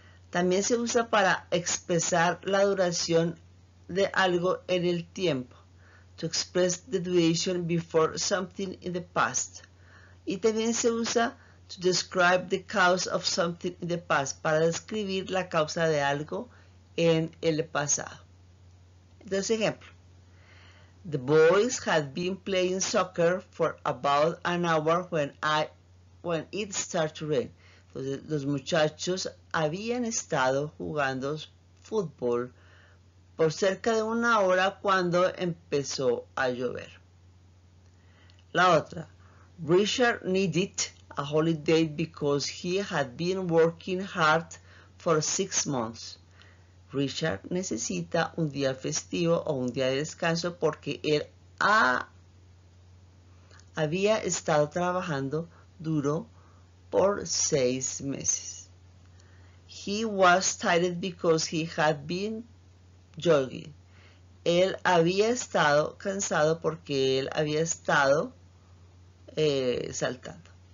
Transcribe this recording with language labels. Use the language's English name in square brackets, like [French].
[Spanish] También se usa para expresar la duración de algo en el tiempo. [English] To express the duration before something in the past. [Spanish] Y también se usa [English] to describe the cause of something in the past, [Spanish] para describir la causa de algo en el pasado. Entonces, ejemplo. [English] The boys had been playing soccer for about an hour when it started to rain. [Spanish] Entonces, los muchachos habían estado jugando fútbol por cerca de una hora cuando empezó a llover. La otra. [English] Richard needed a holiday because he had been working hard for 6 months. [Spanish] Richard necesita un día festivo o un día de descanso porque él había estado trabajando duro por 6 meses. [English] He was tired because he had been jogging. [Spanish] Él había estado cansado porque él había estado saltando.